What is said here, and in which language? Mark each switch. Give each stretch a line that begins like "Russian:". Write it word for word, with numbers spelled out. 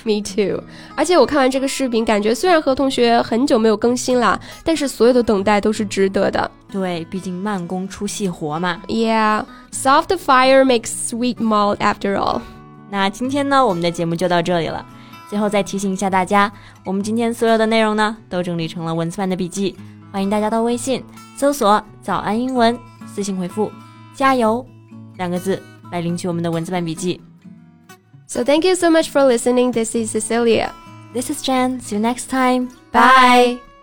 English: Me too.
Chinese: 而且我看完这个视频，感觉虽然和同学很久没有更新了，但是所有的等待都是值得的。对，毕竟慢工出细活嘛。
English: Yeah, soft fire makes sweet malt after all.
Chinese: 那今天呢，我们的节目就到这里了。最后再提醒一下大家，我们今天所有的内容呢，都整理成了文字版的笔记，欢迎大家到微信搜索“早安英文”，私信回复“加油”两个字。来领取我们的文字版笔记。
English: So thank you so much for listening. This is Cecilia. This is Jen. See you next time. Bye. Bye.